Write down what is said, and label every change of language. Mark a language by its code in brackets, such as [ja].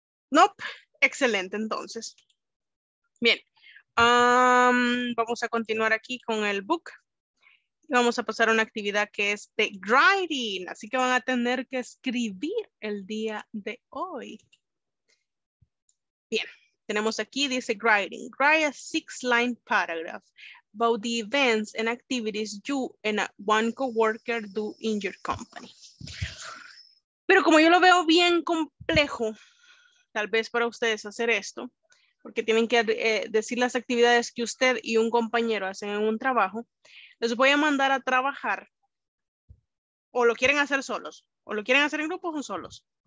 [es] Nope. Excelente, entonces. Bien. Vamos a continuar aquí con el book. Vamos a pasar a una actividad que es de writing. Así que van a tener que escribir el día de hoy. Bien. Tenemos aquí, dice writing. [en] Write a 6-line paragraph about the events and activities you and one coworker do in your company. [es] Pero como yo lo veo bien complejo, tal vez para ustedes hacer esto, porque tienen que decir las actividades que usted y un compañero hacen en un trabajo, les voy a mandar a trabajar, o lo quieren hacer solos, o lo quieren hacer en grupos o solos.